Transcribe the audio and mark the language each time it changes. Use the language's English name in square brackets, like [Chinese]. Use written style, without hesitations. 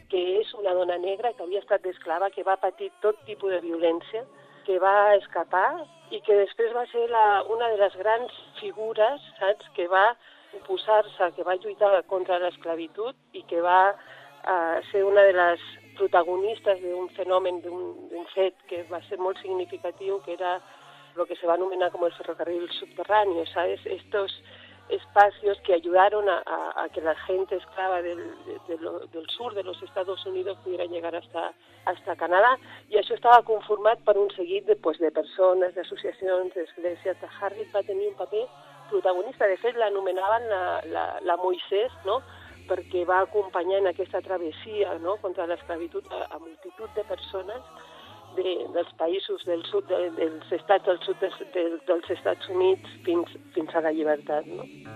[Catalan] Que és una dona negra que havia estat d'esclava, que va patir tot tipus de violència, que va escapar i que després va ser una de les grans figures, saps, que va oposar-se, que va lluitar contra l'esclavitud i que va ser una de les protagonistes d'un fenomen, d'un fet que va ser molt significatiu, que era el que se va anomenar com el ferrocarril subterrani, ¿sabes? [Spanish] Estos espacios que ayudaron a que la gente esclava del sur de los Estados Unidos pudiera llegar hasta Canadá. [Catalan] Y això estava conformat per un seguit de persones, d'associacions, d'esglésies. Harriet va tenir un paper protagonista. De fet, l'anomenaven la Moisés, ¿no?, perquè va acompanyar en aquesta travessia, no?, contra l'esclavitud a multitud de persones dels països del sud, dels estats del sud dels Estats Units fins a la llibertat, no?